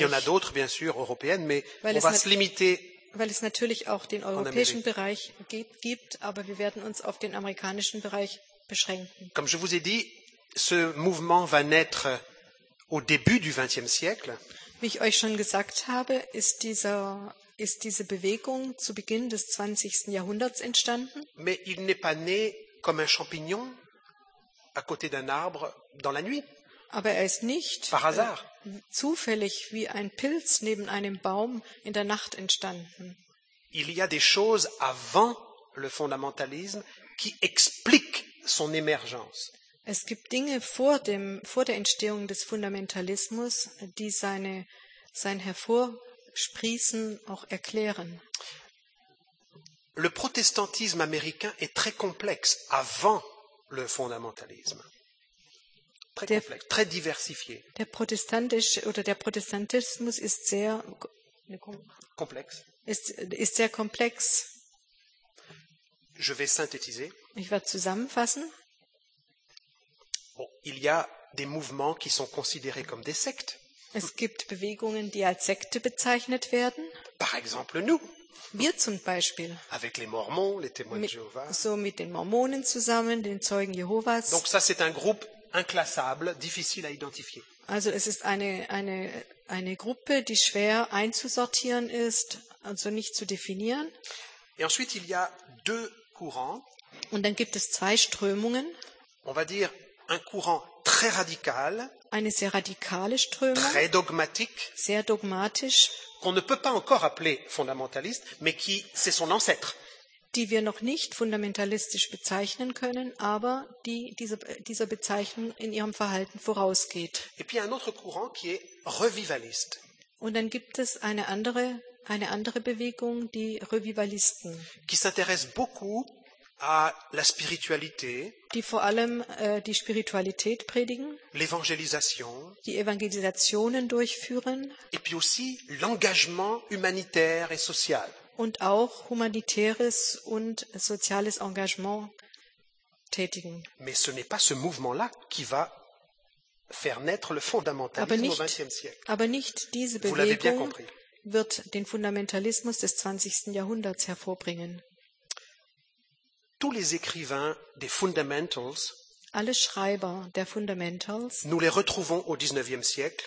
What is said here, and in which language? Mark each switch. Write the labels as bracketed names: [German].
[French] Parce qu'il y en a d'autres, bien sûr, européennes, mais weil on va se limiter. [German] Weil es natürlich auch den europäischen Bereich gibt, aber wir werden uns auf den amerikanischen Bereich beschränken. [French] Comme je vous ai dit, ce mouvement va naître au début du XXe siècle. [German] Wie ich euch schon gesagt habe, ist diese Bewegung zu Beginn des 20. Jahrhunderts entstanden. [French] Mais il n'est pas né comme un champignon à côté d'un arbre dans la nuit. [German] Aber er ist nicht zufällig wie ein Pilz neben einem Baum in der Nacht entstanden. [French] Il y a des choses avant le fondamentalisme qui expliquent son émergence. [German] Es gibt Dinge vor der Entstehung des Fundamentalismus, die sein Hervorsprießen auch erklären. [French] Le protestantisme américain est très complexe avant le fondamentalisme. Très complexe, très diversifié. [German] Der protestantische oder der Protestantismus ist sehr komplex. Ist sehr komplex. [French] Je vais synthétiser. [German] Ich werde zusammenfassen. [French] Bon, il y a des mouvements qui sont considérés comme des sektes. [German] Es gibt Bewegungen, die als Sekte bezeichnet werden. [French] Par exemple, nous. [German] Wir zum Beispiel. [French] Avec les Mormons, les Témoins de Jéhovah. [German] So mit den Mormonen zusammen, den Zeugen Jéhovas. [French] Donc ça, c'est un groupe inclassable, difficile à identifier. [German] Also es ist eine Gruppe, die schwer einzusortieren ist, also nicht zu definieren. [French] Et ensuite, il y a deux courants. [German] Und dann gibt es zwei Strömungen. [French] On va dire un courant très radical, [German] eine sehr radikale Strömung, [French] très dogmatique, [German] sehr dogmatisch, [French] qu'on ne peut pas encore appeler fondamentaliste, mais qui c'est son ancêtre. [German] Die wir noch nicht fundamentalistisch bezeichnen können, aber die dieser Bezeichnung in ihrem Verhalten vorausgeht. [French] Et puis un autre courant qui est revivaliste. [German] Und dann gibt es eine andere Bewegung, die Revivalisten. [French] Qui s'intéresse beaucoup à la spiritualité, [German] die vor allem die Spiritualität predigen, [French] l'évangélisation, [German] die Evangelisationen durchführen, [French] et puis aussi l'engagement humanitaire et social, [German] und auch humanitäres und soziales Engagement tätigen. [French] Mais ce n'est pas ce mouvement-là qui va faire naître le fondamentalisme au XXe siècle. [German] Aber nicht diese Bewegung wird den Fundamentalismus des 20. Jahrhunderts hervorbringen. [French] Tous les écrivains des Fundamentals, [German] alle Schreiber der Fundamentals, [French] nous les retrouvons au 19e siècle,